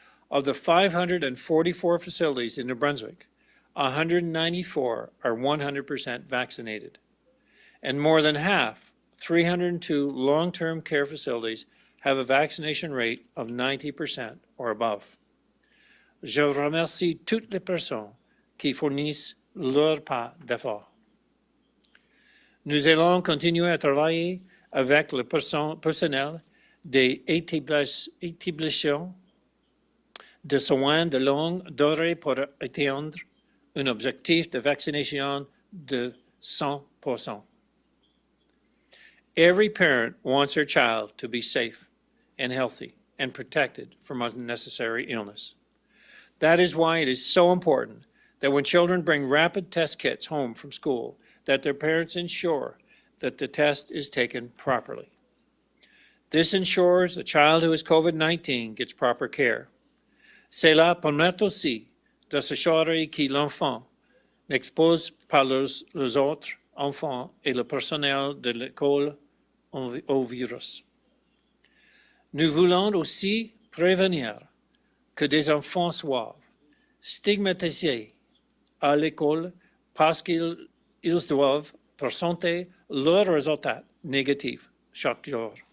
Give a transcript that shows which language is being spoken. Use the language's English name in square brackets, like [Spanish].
[English] Of the 544 facilities in New Brunswick, 194 are 100% vaccinated, and more than half, 302 long-term care facilities have a vaccination rate of 90% or above. [French] Je remercie toutes les personnes qui fournissent leur pas d'effort. Nous allons continuer à travailler avec le personnel des établissements de soins de longue durée pour atteindre un objectif de vaccination de 100%. [English] Every parent wants their child to be safe and healthy and protected from unnecessary illness. That is why it is so important that when children bring rapid test kits home from school, that their parents ensure that the test is taken properly. This ensures a child who has COVID-19 gets proper care. [French] Cela permet aussi de s'assurer que l'enfant n'expose pas les autres enfants et le personnel de l'école au virus. Nous voulons aussi prévenir que des enfants soient stigmatisés à l'école parce qu'ils doivent présenter leurs résultats négatifs chaque jour.